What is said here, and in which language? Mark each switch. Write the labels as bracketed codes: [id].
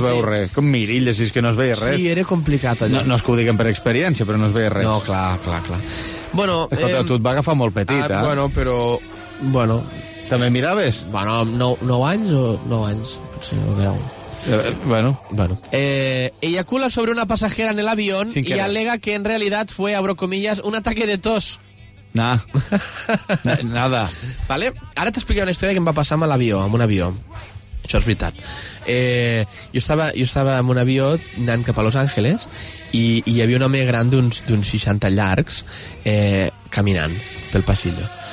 [ca] No es veu res. Com mirilles, si és que no es veia res. Sí, era complicat, allò. No, no és que ho diguem per experiència, però no es veia res. No, clar, clar, clar. Bueno... Escolta, tu et va agafar molt petit, eh? Bueno, però... Bueno... També miraves? Bueno, 9 anys o 9 anys, potser, o 10. Bueno. Bueno. [es] Eyacula sobre una pasajera en el avión y alega que en realidad fue, abro comillas, un ataque de tos. Nah. Nada. Vale? [ca] Ara t'explicaré una història que em va passar amb l'avió, amb un avió. Això és veritat. Jo estava en un avió anant cap a Los Angeles i hi havia un home gran d'uns 60 llargs caminant pel passillo.